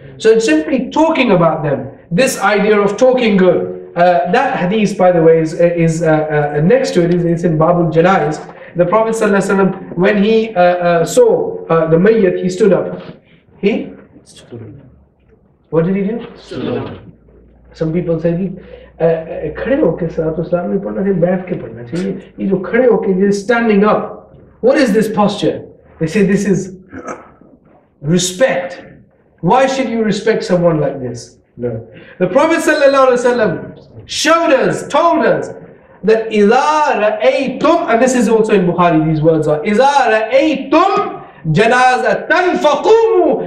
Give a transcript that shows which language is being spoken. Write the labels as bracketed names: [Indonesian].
[English] So it's simply talking about them, this idea of talking good. That hadith, by the way, is next to it, it's in Babul Janaiz. The Prophet ﷺ, when he saw the mayyat, he stood up. He? Stood. What did he do? Stood. Some people say, [Urdu] کھڑے ہوکے صلاتو سلام نہیں پڑھنا چاہیے، بیٹھ کے پڑھنا چاہیے۔ Ye jo khade hoke, [English] he's standing up. What is this posture? They say this is respect. Why should you respect someone like this? No. The Prophet sallallahu alaihi wasallam showed us, told us that [Arabic] إِذَا رَأَيْتُمْ, [English] and this is also in Bukhari, these words are [Arabic] إِذَا رَأَيْتُمْ جَنَازَةً فَقُومُوا.